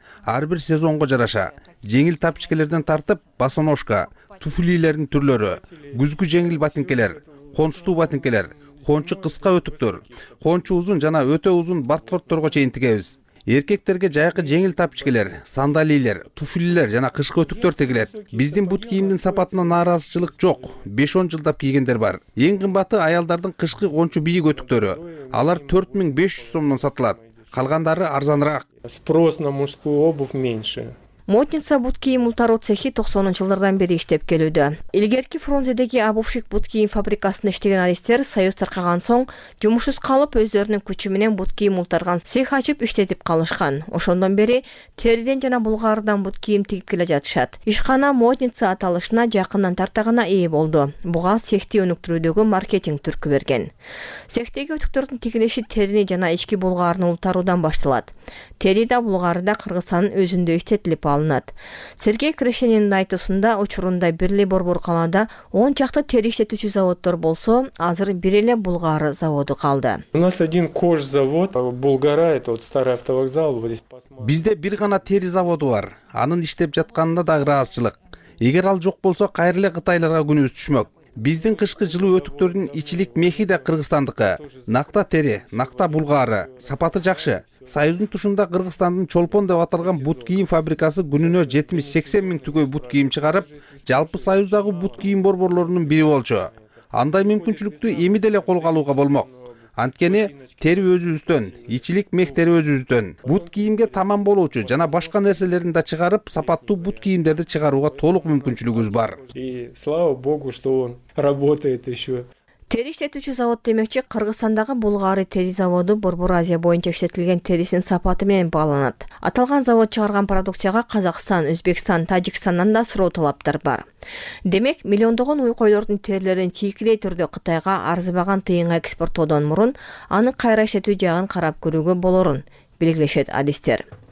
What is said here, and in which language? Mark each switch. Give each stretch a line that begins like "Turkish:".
Kyrgyz: Ар бир сезонго жараша, жеңил тапчикелерден тартып, басоножка, туфлилердин түрлөрү, күзгү жеңил ботинкелер, конштуу ботинкелер, кончу кыска өтүктөр, кончу узун жана өтө узун барткорттору чейин тегебиз. Эркектерге жайкы жеңил тапчикелер, сандалийлер, туфлилер жана кышкы өтүктөр тегилет. Биздин бут кийимдин сапатына нааразычылык жок. 5-10 жылдап кийгендер бар. Эң кымбаты аялдардын кышкы кончу бийик өтүктөрү. Алар 4500 сомдон сатылат. Калгандары арзаныраак.
Russian: Спрос на мужскую обувь меньше.
Kyrgyz: Модница бут кийим ултаруу цехи 90-жылдардан бери иштеп келүүдө. Илгерки Фрунзедеги обувщик бут кийим фабрикасында иштеген адистер союз таркаган соң жумушсуз калып өздөрүнүн күчү менен бут кийим ултарган цех ачып иштетип калышкан. Ошондон бери териден жана булгаардан бут кийим тигип келе жатышат. Ишкана модница аталышына жакындан тарта гана ээ болду. Буга цехти өнүктүрүүдөгү маркетинг түрткү берген. Цехтеги өтүктөрдүн тигилиши терини жана ички булгаарын ултаруудан башталат. Тери да булгаары да Кыргызстандын өзүндө иштетилип алынат. Сергей Крешенин айтуусунда учурунда Бирли Борбор калада 10 чакты тери иштетүүчү заводдор болсо, азыр бир эле булгаары заводу калды.
Russian: У нас один кож завод, Булгара, это вот старый автовокзал.
Kyrgyz: Бизде бир гана тери заводу бар. Анын иштеп жатканына да ыраазычылык. Эгер ал жок болсо, кайра эле Кытайларга күнүбүз түшмөк. Биздин кышкы жылуу өтүктөрдүн ичилик мехи да Кыргызстандыкы. Накта тери, накта булгаары, сапаты жакшы. Союздун тушунда Кыргызстандын Чолпон деп аталган бут кийим фабрикасы күнүнө 70-80 миң түгөй бут кийим чыгарып, жалпы союздагы бут кийим борборлорунун бири болчу. Андай мүмкүнчүлүктү эми деле колго алууга болмок. Анткени тери өзүбүздөн, ичилик мех тери өзүбүздөн. Бут кийимге таман болуучу жана башка нерселерин да чыгарып, сапаттуу бут кийимдерди чыгарууга толук мүмкүнчүлүгүбүз бар.
Russian: И слава богу, что он работает еще.
Kyrgyz: Тери иштетүүчү завод демекчи, Кыргызстандагы Булгары тери заводу Борбор Азия боюнча иштетилген терисинин сапаты менен бааланат. Аталган завод чыгарган продукцияга Казакстан, Өзбекстан, Тажикстандан да суроо талаптар бар. Демек, миллиондогон уйкойлордун терилерин чийкилей түрдө Кытайга арзыбаган тыйынга экспорттоодон мурун аны кайра иштетүү жагын карап көрүүгө болорун белгилешет адистер.